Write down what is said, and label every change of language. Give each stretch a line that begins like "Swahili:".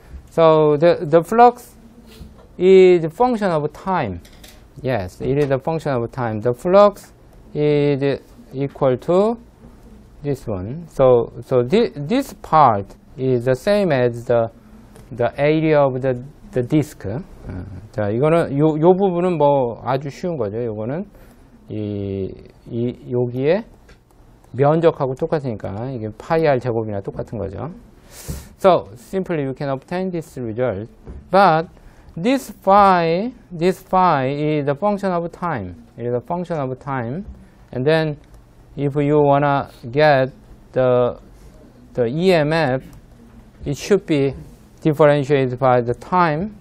English: So the flux is a function of time. Yes, it is a function of time. The flux is equal to this one. So this part is the same as the area of the disk.
Korean: 자, 이거는 요 부분은 뭐 아주 쉬운 거죠. 요거는 이 여기에 면적하고 똑같으니까 이게 파이 r 제곱이나 똑같은 거죠.
English: So simply you can obtain this result, but this phi is the function of time. It is a function of time, and then if you wanna get the EMF, it should be differentiated by the time.